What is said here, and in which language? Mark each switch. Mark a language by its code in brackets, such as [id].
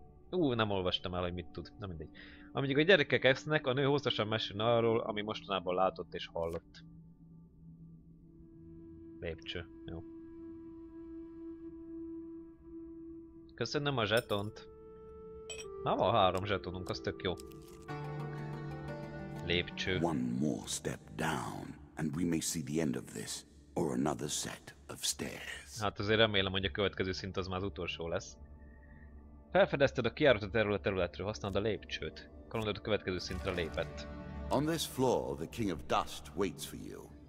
[hu] Nem olvastam el, hogy mit tud. Na mindegy. Amíg a gyerekek esznek, a nő hosszasan mesél arról, ami mostanában látott és hallott. Lépcső. Jó. Köszönöm a zsetont. Na, van három zsetonunk, az tök jó. Lépcső. [en] One more step down, and we may see the end of this, or another set of stairs. [hu] Hát azért remélem, hogy a következő szint az már az utolsó lesz. Felfedezted a kijáratot erről a területről, használd a lépcsőt. Kalandod a következő szintre lépett. [en] On this floor, the King of Dust waits for you.